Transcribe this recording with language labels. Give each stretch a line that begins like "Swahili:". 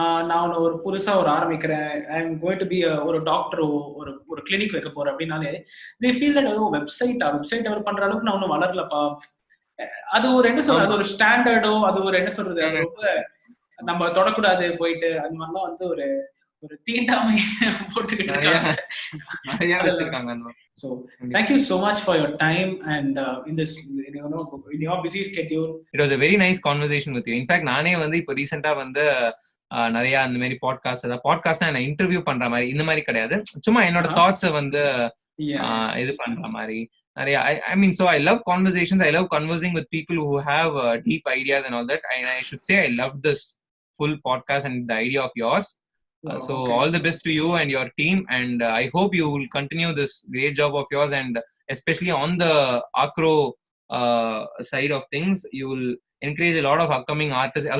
Tamil: நான் ஒரு புதுசா ஒரு ஆரம்பிக்கிறேன்,
English: I am going to be
Tamil: ஒரு டாக்டர், ஒரு கிளினிக் வைக்க போறேன் அப்படின்னாலே,
English: they feel that
Tamil: வெப்சைட்டா, website develop பண்ற அளவுக்கு நான் ஒன்னும் வளரலப்பா. அது ஒரு என்ன சொல்றது, அது ஒரு ஸ்டாண்டர்டோ, அது ஒரு என்ன சொல்றது, ரொம்ப நம்ம தொடக்கூடாது போயிட்டு அந்த மாதிரிலாம் வந்து ஒரு ஒரு தீண்டாமை போட்டுக்கிட்டு.
English: So, thank you so much for your time and in your busy schedule. It was a very nice conversation with you. In fact,
Tamil: நானே வந்து இப்ப ரீசெண்டா வந்து நிறைய அந்த மாதிரி பாட்காஸ்ட் நான் இன்டர்வியூ பண்ற மாதிரி, இந்த மாதிரி கிடையாது, சும்மா என்னோட தாட்ஸ் வந்து இது பண்ற மாதிரி நிறைய.
English: I mean, so I love conversations. I love conversing with people who have deep ideas and all that. And I should say I love this full podcast and the idea of yours. All the best to you and your team, and I hope you will continue this great job of yours, and especially on the acro side of things, you will encourage a lot of upcoming artists.